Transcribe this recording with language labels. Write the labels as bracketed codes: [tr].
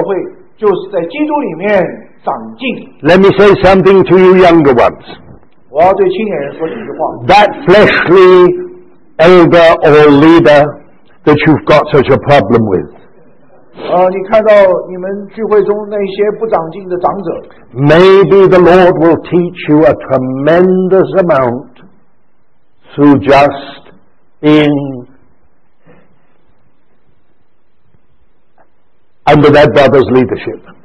[zh] 所以最大的需要在今天的教会就是在基督里面长进。 [en] Let me say something to you younger ones. [zh] 我要对青年人说几句话。 [en] That fleshly elder or leader that you've got such a problem with. [zh] 你看到你们聚会中那些不长进的长者。 [en] Maybe the Lord will teach you a tremendous amount through just being under that brother's leadership.